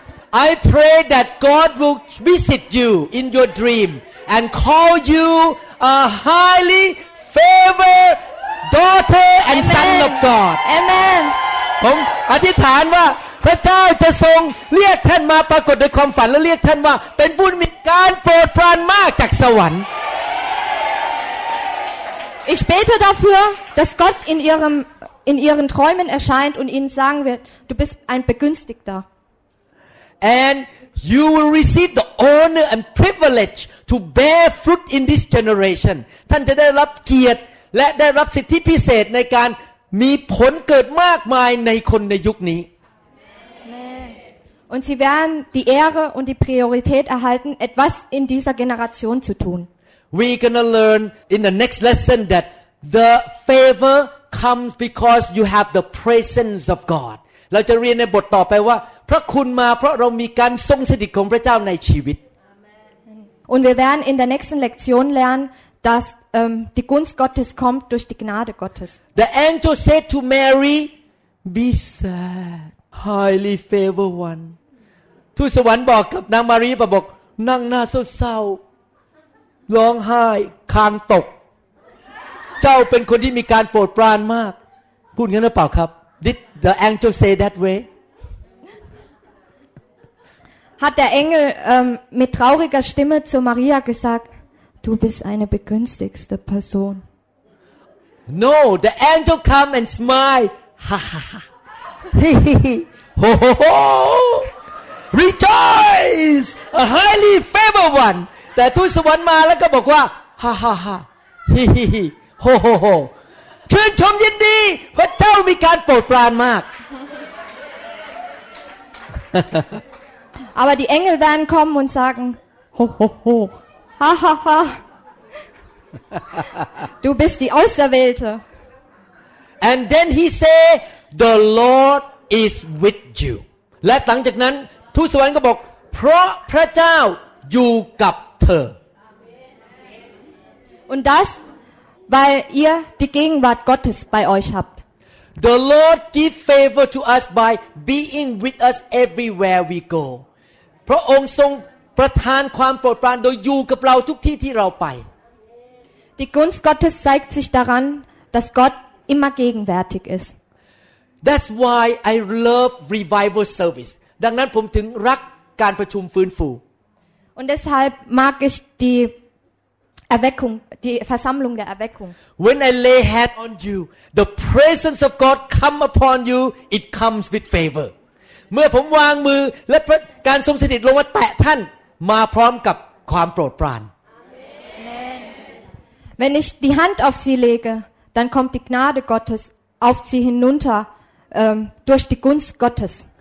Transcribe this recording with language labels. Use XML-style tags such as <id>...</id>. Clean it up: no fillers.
<en>I pray that God will visit you in your dream and call you a highly favored daughter and Amen. Son of God. Amen.</en> <th>ผมอธิษฐานว่าพระเจ้าจะทรงเรียกท่านมาปรากฏในความฝันและเรียกท่านว่าเป็นผู้มีการโปรดปรานมากจากสวรรค์</th> <de>Ich bete dafür, dass Gott in ihren Träumen erscheint und ihnen sagen wird, du bist ein Begünstigter.</de> <en>And you will receive the honor and privilege to bear fruit in this generation.</en> <th>ท่านจะได้รับเกียรติและได้รับสิทธิพิเศษในการมีผลเกิดมากมายในคนในยุคนี้</th> <de>Und sie werden die Ehre und die Priorität erhalten, etwas in dieser Generation zu tun.</de> <en>We're gonna learn in the next lesson that the favor comes because you have the presence of God.</en> <th>เราจะเรียนในบทต่อไปว่าพระคุณมาเพราะเรามีการทรงสถิตของพระเจ้าในชีวิต</th> <de>Und wir werden in der nächsten Lektion lernen, dass die Gunst Gottes kommt durch die Gnade Gottes.</de> <en>The angel said to Mary, "Be sad." Highly favored one.</en> <th>ทูตสวรรค์บอกกับนางมารีบอกนั่งหน้าเศร้าๆร้องไห้คางตกเจ้าเป็นคนที่มีการโปรดปรานมากพูดงั้นหรือเปล่าครับ</th> <en>Did the angel say that way?</en> <de>Hat der Engel mit trauriger Stimme zu Maria gesagt, du bist eine begünstigste Person.</de> <en>No, the angel come and smile. Ha ha ha. Rejoice, a highly favored one. That to someone,</en> <th>มาแล้วก็บอกว่าฮ่าฮ่าฮ่าฮิฮิฮิฮโฮโฮโฮชื่นชมยินดีพระเจ้ามีการโปรดปรานมาก</th> <de>Aber die Engel werden kommen und sagen, ho ho ho, ha ha ha. Du bist die Auserwählte.</de> <en>And then he say. The Lord is with you.</en> <th>และหลังจากนั้นทูตสวรรค์ก็บอกเพราะพระเจ้าอยู่กับเธ</th> <de>อ Und das weil ihr die Gegenwart Gottes bei euch habt.</de> <en>The Lord give favor to us by being with us everywhere we go.</en> <th>พระองค์ทรงประทานความโปรดปรานโดยอยู่กับเราทุกที่ที่เราไป</th> <de>Die Gunst Gottes zeigt sich daran, dass Gott immer gegenwärtig ist.</de> <en>That's why I love revival service.</en> <th>ดังนั้นผมถึงรักการประชุมฟื้นฟู</th> <de>Und deshalb mag ich die Erweckung, die Versammlung der Erweckung.</de> <en>When I lay hand on you, the presence of God come upon you, it comes with favor.</en> <th>เมื่อผมวางมือและการทรงสถิตลงมาแตะท่านมาพร้อมกับความโปรดปราน</th> <en>Amen.</en> <de>Wenn ich die Hand auf sie lege, dann kommt die Gnade Gottes auf sie hinunterdurch die Gunst Gottes.</de>